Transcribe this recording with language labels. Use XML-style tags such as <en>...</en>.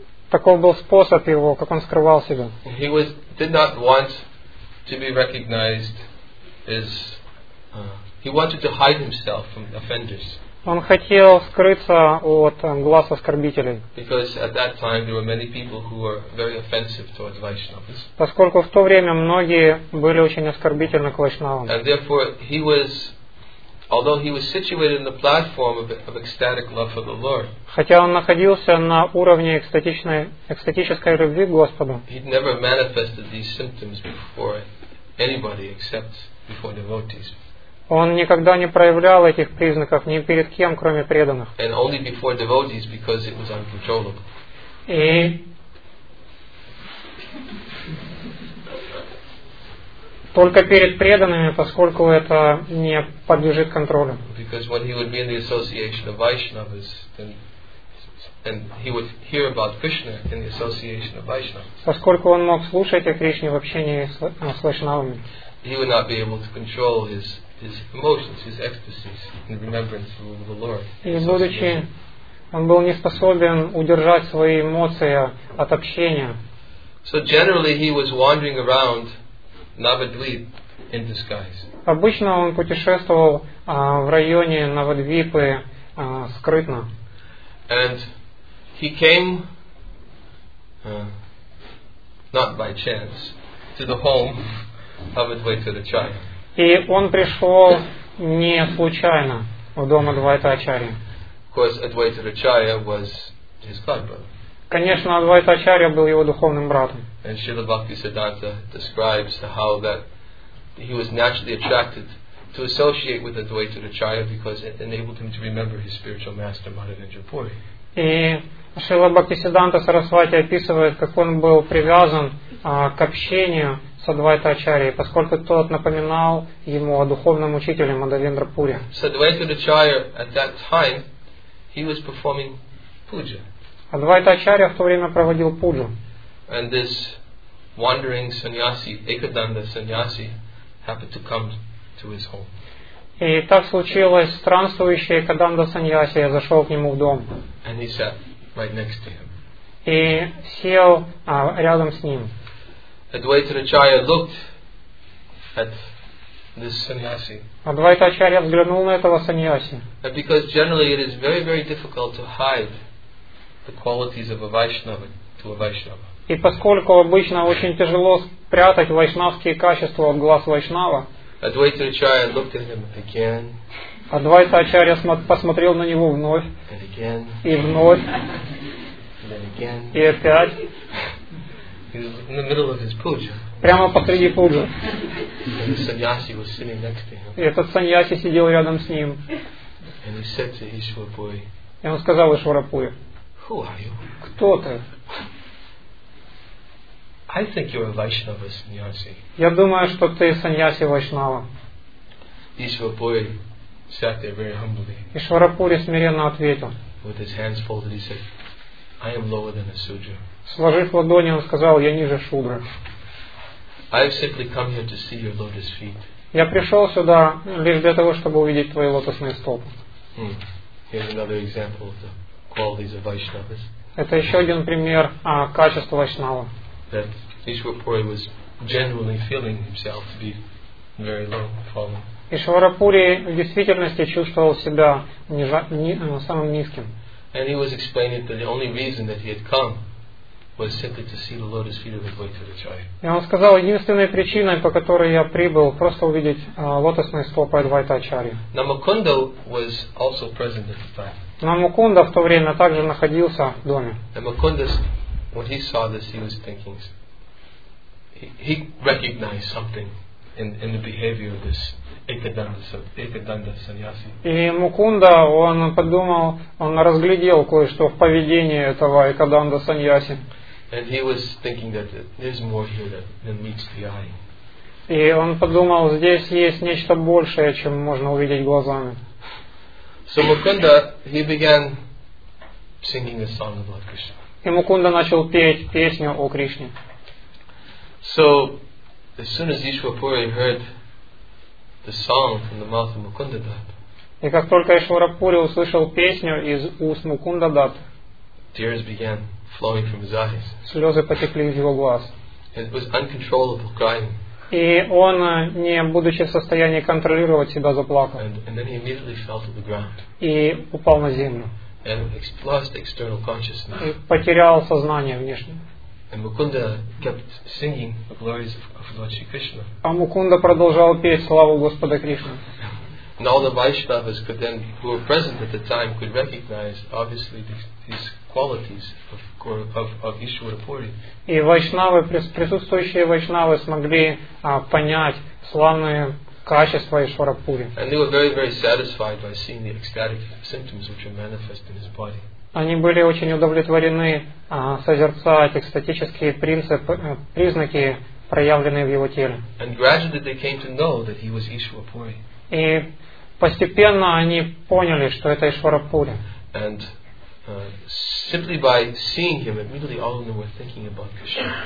<ru>Таков был способ его, как он скрывал себя.</ru> <en>He was did not want to be recognized as he wanted to hide himself from offenders.</en> <ru>Он хотел скрыться от глаз оскорбителей.</ru> <en>Because at that time there were many people who were very offensive towards Vaishnavas.</en> <ru>Поскольку в то время многие были очень оскорбительны к вайшнавам.</ru> <en>And therefore he was, although he was situated in the platform of ecstatic love for the Lord.</en> <ru>Хотя он находился на уровне экстатической любви к Господу.</ru> <en>He never manifested these symptoms before anybody except before devotees.</en> <ru>Он никогда не проявлял этих признаков ни перед кем, кроме преданных.</ru> <en>And only before devotees, because it was uncontrollable.</en> <ru>И только перед преданными, поскольку это не подлежит контролю.</ru> <en>Because when he would be in the association of Vaishnavas, then and he would hear about Krishna in the association of Vaishnavas.</en> <ru>Поскольку он мог слушать о Кришне в общении с Вайшнавами.</ru> <en>He would not be able to control his emotions, his ecstasies in the remembrance of the Lord.</en> <ru>И будучи, он был не способен удержать свои эмоции от общения.</ru> <en>So generally he was wandering around Navadvip in disguise.</en> <ru>Обычно он путешествовал в районе Навадвипы скрытно.</ru> <en>And he came not by chance to the home of Advaita Acharya.</en> <ru>И он пришёл не случайно в дом Адвайта Ачарьи.</ru> <en>Because Advaita Acharya was his god brother.</en> <ru>Конечно, Адвайта Ачарья был его духовным братом.</ru> <en>And Śrīla Bhaktisiddhānta describes how that he was naturally attracted to associate with Advaita Acharya because it enabled him to remember his spiritual master Mahārājendra Puri.</en> <ru>И Śrīla Bhaktisiddhānta Sarasvati описывает, как он был привязан к общению с Адвайта Ачарьей, поскольку тот напоминал ему о духовном учителе Мадхавендра Пури.</ru> <en>So Advaita Acharya at that time he was performing puja.</en> <ru>Адвайта Ачарья в то время проводил пуджу.</ru> <en>And this wandering sannyasi, Ekadanda sannyasi, happened to come to his home.</en> <ru>И так случилось, странствующий Экаданда сannyasi зашел к нему в дом.</ru> <en>And he sat right next to him.</en> <ru>И сел рядом с ним.</ru> <en>Адвайта Ачарья looked at this sannyasi.</en> <ru>Адвайта Ачарья взглянул на этого sannyasi.</ru> <en>Because generally it is very, very difficult to hide the qualities of a Vaishnava to a Vaishnava.</en> <ru>И поскольку обычно очень тяжело спрятать вайшнавские качества от глаз вайшнава.</ru> <en>Advaita Acharya looked at him again.</en> <ru>Адвайта Ачарья посмотрел на него вновь.</ru> <en>And again.</en> <ru>И вновь.</ru> <en>And then again.</en> <ru>И опять.</ru> <en>He was in the middle of his puja.</en> <ru>Прямо посреди пуджи.</ru> <en>And the sannyasi was sitting next to him.</en> <ru>И этот sannyasi сидел рядом с ним.</ru> <en>And he said to Ishwarapuri.</en> <ru>И он сказал Ишварапуре.</ru> <en>Who are you?</en> <ru>Кто ты?</ru> <en>I think you're a Vaishnava sannyasi.</en> <ru>Я думаю, что ты sannyasi Vaishnava.</ru> <en>Ishwarapuri sat there very humbly.</en> <ru>Ишварапури смиренно ответил.</ru> <en>With his hands folded, he said, "I am lower than a sudra."</en> <ru>Сложив ладони, он сказал, "Я ниже шудры."</ru> <en>I have simply come here to see your lotus feet.</en> <ru>Я пришел сюда лишь для того, чтобы увидеть твои лотосные стопы.</ru> <en>Here's another example of the qualities of Vaishnavas.</en> <ru>Это еще один пример качества Вайшнава.</ru> <en>That Ishwarapuri was genuinely feeling himself to be very low, fallen.</en> <ru>Ишварапури в действительности чувствовал себя самым низким.</ru> <en>And he was explaining that the only reason that he had come was simply to see the lotus feet of Advaita Acharya.</en> <ru>И он сказал, единственной причиной, по которой я прибыл, просто увидеть лотосные стопы Адвайта Ачарьи.</ru> <en>Намакунда was also present at the time.</en> <ru>Намакунда в то время также находился в доме.</ru> <en>Намакунда, when he saw this, he was thinking, he recognized something in the behavior of this Ekadanda sannyasi.</en> <ru>И Мукунда, он подумал, он разглядел кое-что в поведении этого Экаданда сannyasi.</ru> <en>And he was thinking that there's more here than meets the eye.</en> <ru>И он подумал, здесь есть нечто большее, чем можно увидеть глазами.</ru> <en>So Mukunda, he began singing a song about Krishna.</en> <ru>И Мукунда начал петь песню о Кришне.</ru> <en>So, as soon as Ishwarapuri heard the song from the mouth of Mukunda Dutt,</en> <ru>и как только Ишварапури услышал песню из уст Мукунда Дат,</ru> <en>tears began flowing from his eyes.</en> <ru>Слезы потекли из его глаз.</ru> <en>It was uncontrollable crying.</en> <ru>И он, не будучи в состоянии контролировать себя, заплакал.</ru> <en>And then he immediately fell to the ground.</en> <ru>И упал на землю.</ru> <en>And lost external consciousness.</en> <ru>И потерял сознание внешнее.</ru> <en>And Mukunda kept singing the glories of Lord Shri Krishna.</en> <ru>А Мукунда продолжал петь славу Господа Кришны.</ru> <en>And all the Vaishnavas could then, who were present at the time, could recognize obviously these qualities of Ishwarapuri.</en> <ru>И вайшнавы, присутствующие вайшнавы, смогли понять славные качества Ишварапури.</ru> <en>And they were very, very satisfied by seeing the ecstatic symptoms which were manifest in his body.</en> <ru>Они были очень удовлетворены созерцать экстатические признаки проявленные в его теле.</ru> <en>And gradually they came to know that he was Ishwarapuri.</en> <ru>И постепенно они поняли, что это Ишварапури.</ru> <en>And simply by seeing him, immediately all of them were thinking about Krishna.</en>